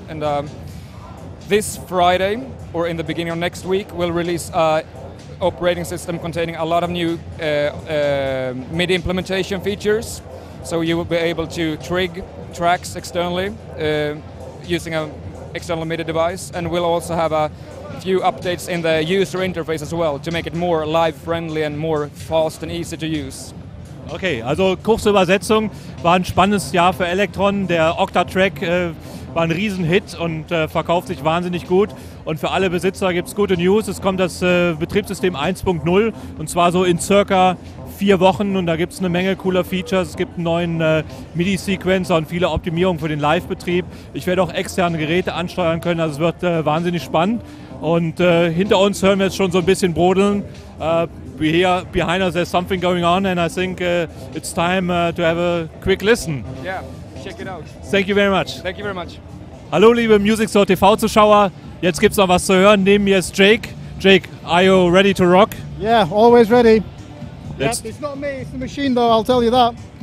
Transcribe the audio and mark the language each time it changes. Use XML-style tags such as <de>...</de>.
<en>And this Friday, or in the beginning of next week, we'll release an operating system containing a lot of new MIDI implementation features. So you will be able to trig tracks externally using an external MIDI device. And we'll also have a few updates in the user interface as well to make it more live friendly and more fast and easy to use.</en> <de>Okay, also kurze Übersetzung, war ein spannendes Jahr für ELEKTRON. Der Octatrack war ein Riesenhit und verkauft sich wahnsinnig gut. Und für alle Besitzer gibt es gute News. Es kommt das Betriebssystem 1.0 und zwar so in circa 4 Wochen. Und da gibt es eine Menge cooler Features. Es gibt einen neuen MIDI-Sequencer und viele Optimierungen für den Live-Betrieb. Ich werde auch externe Geräte ansteuern können, also es wird wahnsinnig spannend. Und hinter uns hören wir jetzt schon so ein bisschen brodeln.</de> <en>Here behind us there's something going on, and I think it's time to have a quick listen. Yeah, check it out. Thank you very much. Thank you very much.</en> <de>Hallo liebe Musikstore TV-Zuschauer, jetzt gibt's noch was zu hören. Neben mir ist</de> <en>Jake. Jake, are you ready to rock? Yeah, always ready. Yep, it's not me, it's the machine though, I'll tell you that.</en>